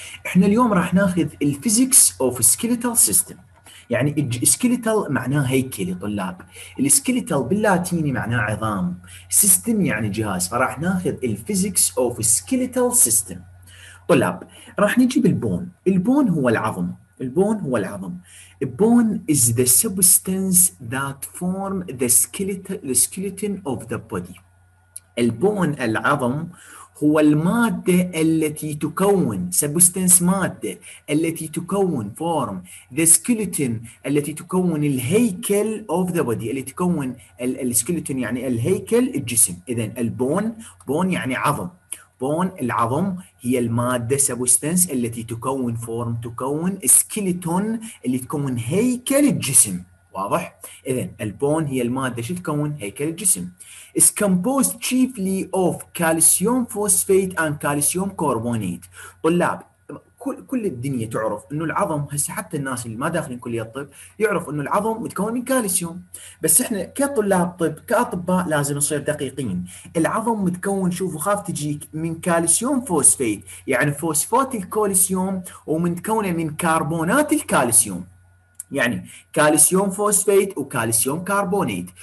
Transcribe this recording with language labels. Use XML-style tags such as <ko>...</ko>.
<ar>احنا اليوم راح ناخذ الفيزيكس اوف سكيليتال سيستم، يعني السكيليتال معناه هيكلي طلاب، السكيليتال باللاتيني معناه عظام، سيستم يعني جهاز، فراح ناخذ الفيزيكس اوف سكيليتال سيستم. طلاب، راح نجيب البون، البون هو العظم، البون هو العظم.</ar> <en>Bone is the substance that form the skeleton of the body.</en> <ar>البون العظم هو المادة التي تكون substance مادة التي تكون</ar> <en>form the skeleton</en> <ar>التي تكون الهيكل</ar> <en>of the body</en> <ar>التي تكون skeleton يعني الهيكل الجسم. إذن البون bone يعني عظم. بون العظم هي المادة سبستنس التي تكون فورم تكون سكيلتون اللي تكون هيكل الجسم، واضح؟ إذا البون هي المادة شو تكون هيكل الجسم.</ar> <en>is composed chiefly of calcium phosphate and calcium carbonate.</en> <ar>طلاب، كل الدنيا تعرف انه العظم، هسه حتى الناس اللي ما داخلين كليه الطب يعرف انه العظم متكون من كالسيوم، بس احنا كطلاب طب كاطباء لازم نصير دقيقين. العظم متكون، شوفوا خاف تجيك، من كالسيوم فوسفيت يعني فوسفات الكالسيوم، ومتكونه من كربونات الكالسيوم، يعني كالسيوم فوسفيت وكالسيوم كربونيت.</ar>